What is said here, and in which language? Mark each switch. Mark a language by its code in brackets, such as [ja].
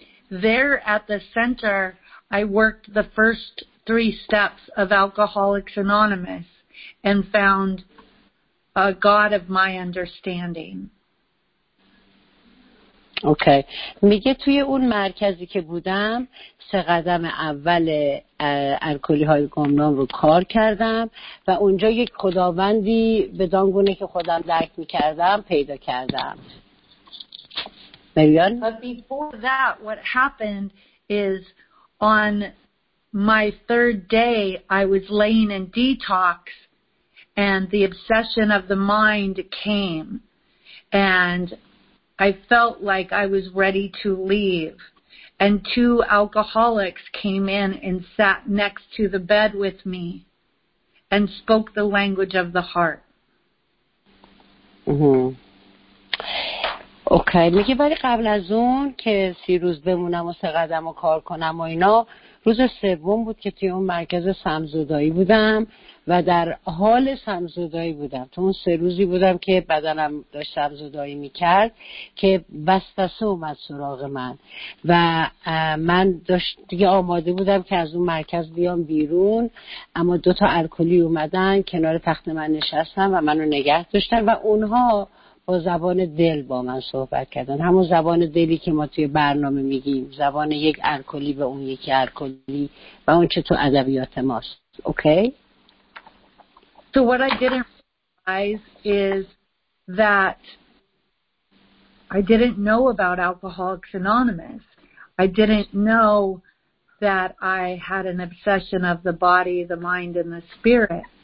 [en] There at the center, I worked the first 3 steps of Alcoholics Anonymous and found a God of my understanding. Okay. [fa] میگه توی اون مرکزی که بودم 3 قدم اول الکلی های گمنام رو کار کردم و اونجا یک خداوندی به دانگونه که خودم درک میکردم پیدا کردم. مریان؟ [en] But before that, what happened is on my 3rd day, I was laying in detox and the obsession of the mind came and I felt like I was ready to leave. And 2 alcoholics came in and sat next to the bed with me and spoke the language of the heart. Mm-hmm. Okay. [fa] میگه ولی قبل از اون که 30 روز بمونم و 3 قدم و کار کنم و اینا، روز 3 بود که توی اون مرکز سمزدایی بودم و در حال سمزدایی بودم. تو اون 3 روزی بودم که بدنم داشت سمزدایی میکرد که وسوسه اومد سراغ من و من داشت دیگه آماده بودم که از اون مرکز بیام بیرون، اما 2 الکلی اومدن کنار تخت من نشستن و منو نگه داشتن و اونها با زبان دل با من صحبت کردن، همون زبان دلی که ما توی برنامه میگیم، زبان یک الکلی به اون یکی الکلی و اون چه تو ادبیات ماست. [en] Okay. So what I didn't realize is that I didn't know about Alcoholics Anonymous. I didn't know that I had an obsession of the body, the mind, and the spirit.